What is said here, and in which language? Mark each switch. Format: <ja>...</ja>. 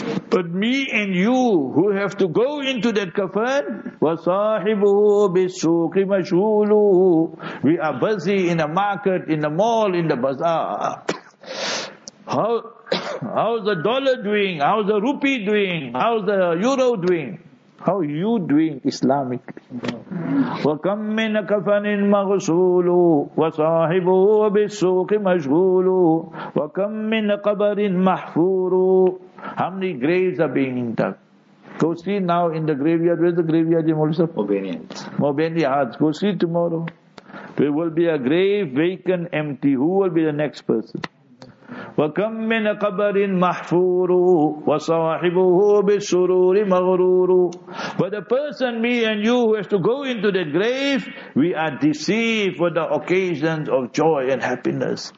<en>But me and you who have to go into that kafan,</en> <ar>وَصَاحِبُهُ بِالسُّوقِ مَشْغُولُ</ar> <en>We are busy in a market, in a mall, in the bazaar. How's the dollar doing? How's the rupee doing? How's the euro doing? How are you doing Islamically?</en> <ar>وَكَمْ مِنَ كَفَنٍ مَغْسُولُ وَصَاحِبُهُ بِالسُّوقِ مَشْغُولُ وَكَمْ مِنَ قَبَرٍ مَحْفُورُ</ar> <en>How many graves are being dug? Go see now in the graveyard. Where's the graveyard in Mulsa? Mobeni Hearts. Go see tomorrow. There will be a grave vacant, empty. Who will be the next person?</en> <ar>وَكَمْ مِنَ قَبَرٍ مَحْفُورٌ وَصَوَاحِبُهُ بِالسُّرُورِ مَغْرُورٌ</ar> <en>But the person, me and you, who has to go into that grave, we are deceived for the occasions of joy and happiness.</en>